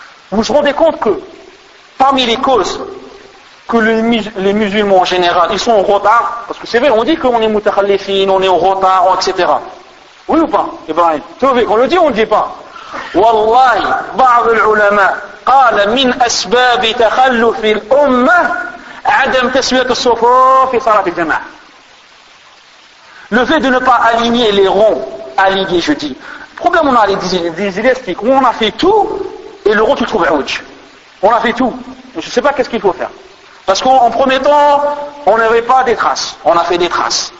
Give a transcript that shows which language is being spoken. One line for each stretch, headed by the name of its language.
French: Vous vous rendez compte que, parmi les causes que les musulmans en général, ils sont en retard, parce que c'est vrai, on dit qu'on est mutakhallifine, on est en retard, etc. Oui ou pas, Ibrahim? On le dit ou on ne le dit pas?
Arabic: Wallahi, بعض العلماء قال من أسباب تخلف الأمة عدم تسوية الصفوف في صلاة الجماعة.
French: Le fait de ne pas aligner les ronds, aligner, je dis. Le problème, on a les désilestiques, on a fait tout et le rond, tu trouves à ouj. On a fait tout. Je ne sais pas qu'est-ce qu'il faut faire. Parce qu'en premier temps, on n'avait pas des traces. On a fait des traces.